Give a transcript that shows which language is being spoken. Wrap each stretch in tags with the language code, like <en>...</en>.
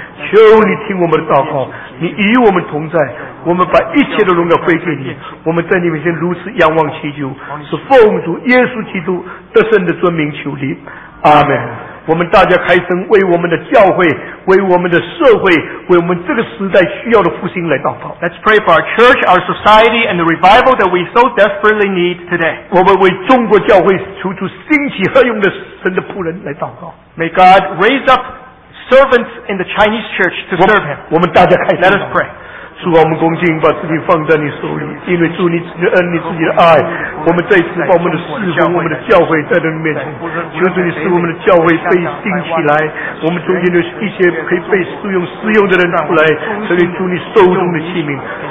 <zh>求你听我们的祷告，你与我们同在，我们把一切的荣耀归给你。我们在你面前如此仰望祈求，是奉主耶稣基督得胜的尊名求你。阿们。我们大家开声为我们的教会，为我们的社会，为我们这个时代需要的复兴来祷告。</zh> <en>Let's pray for our church, our society, and the revival that we so desperately need today.</en> <zh>我们为中国教会求主兴起何用的神的仆人来祷告。</zh> <en>May God raise up servants in the Chinese church to serve Him.</en> <zh>我们大家开声。</zh> <en>Let us pray.</en> <zh>主啊，我们恭敬把自己放在你手里，因为主你自己的恩，你自己的爱，我们再次把我们的侍奉，我们的教会在你面前，求主你使我们的教会被兴起来，我们中间的一些可以被使用使用的人出来，成为主你手中的器皿。</zh>